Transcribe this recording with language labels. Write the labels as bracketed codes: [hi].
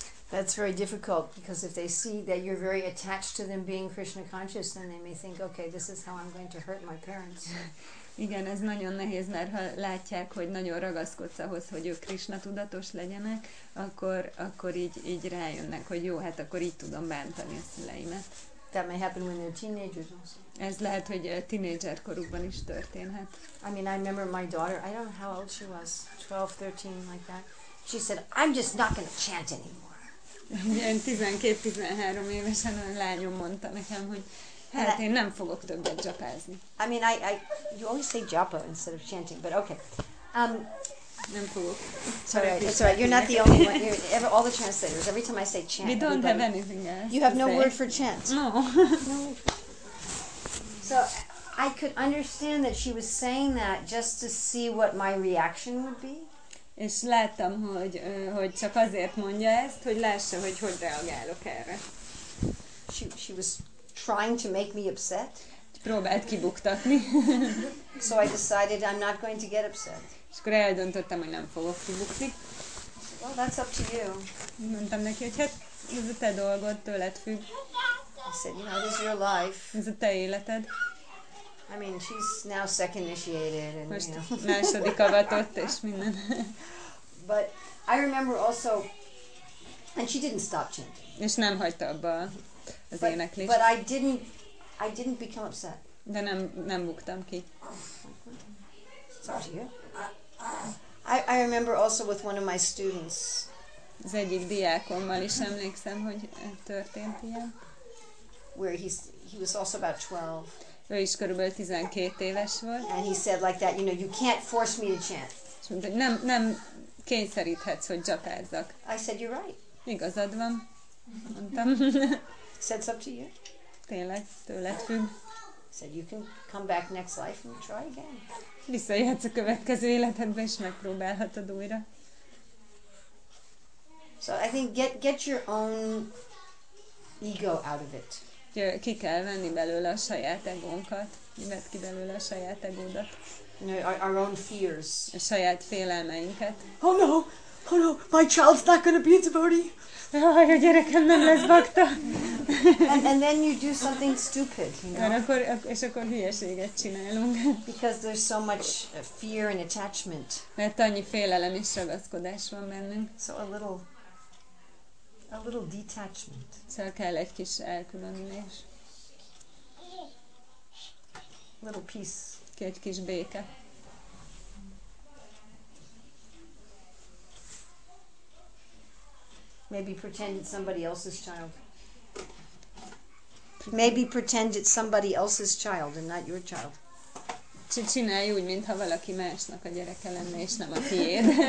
[en] That's very difficult, because if they see that you're very attached to them being Krishna conscious, then they may think, okay, this is how I'm going to hurt my parents. [hu] Igen, ez nagyon nehéz, mert ha látják, hogy nagyon ragaszkodsz ahhoz, hogy ők Krishna tudatos legyenek, akkor így rájönnek, hogy jó, hát akkor így tudom bántani a szüleimet. [en] That may happen when they're teenagers also. [hu] Ez lehet, hogy tínédzser korukban is történhet. [en] I mean, I remember my daughter, I don't know how old she was, 12, 13, like that. She said, I'm just not going to chant anymore. [hu] Ilyen 12-13 évesen a lányom mondta nekem, hogy hát én nem fogok többet japázni. [en] I mean, I you always say japa instead of chanting, but okay. [hu] Nem fogok. [en] It's all right, you're not the only one. You're all the translators, every time I say chant. We don't have anything else. You have no say. Word for chant. No. So I could understand that she was saying that just to see what my reaction would be. [hu] És láttam, hogy csak azért mondja ezt, hogy lássa, hogy reagálok erre. [en] She was trying to make me upset. [hu] Próbált kibuktatni. [en] So I decided I'm not going to get upset. [hu] És akkor eldöntöttem, hogy nem fogok kibukni. [en] Well, that's up to you. [hu] Mondtam neki, hogy hát ez a te dolgod, tőled függ. [en] I said, you know, this is your life. [hu] Ez a te életed. [en] I mean, she's now second initiated and [hu] most [en] you know. [hu] Második avatott és minden. [en] But I remember also, and she didn't stop chanting. [hu] És nem hagyta abba az éneklést. [en] But I didn't become upset. [hu] De nem buktam ki. [en] Sorry. I remember also with one of my students. [hu] Az egyik diákommal is emlékszem, hogy történt ilyen. [en] Where he was also about 12. [hu] Ő is körülbelül 12 éves volt. [en] And he said like that, you know, you can't force me to chant. [hu] Nem kényszeríthetsz, hogy japázzak. [en] I said, you're right. [hu] Igazad van, mondtam. [en] Said it's up to you. [hu] Tényleg, tőled függ. [en] Said you can come back next life and try again. [hu] Visszajöhetsz a következő életedbe, és megpróbálhatod újra. [en] So I think get your own ego out of it. [hu] Ki kell venni belőle a saját egónkat, vedd ki belőle a saját egódat. [en] No, our own fears. [hu] A saját félelmeinket. [en] Oh no, my child's not gonna be a devotee. [hu] Jaj, a gyerekem nem lesz bakta. [en] And then you do something stupid, you know. [hu] És akkor hülyeséget csinálunk. [en] Because there's so much fear and attachment. [hu] Mert annyi félelem és ragaszkodás van bennünk. [en] So a little detachment. [hu] Szóval kell egy kis elkülönülés. [en] Little peace. [hu] Egy kis béke. [en] Maybe pretend it's somebody else's child. Maybe pretend it's somebody else's child and not your child. [hu] Csinálj úgy, mintha valaki másnak a gyereke lenne, és nem a tiéd.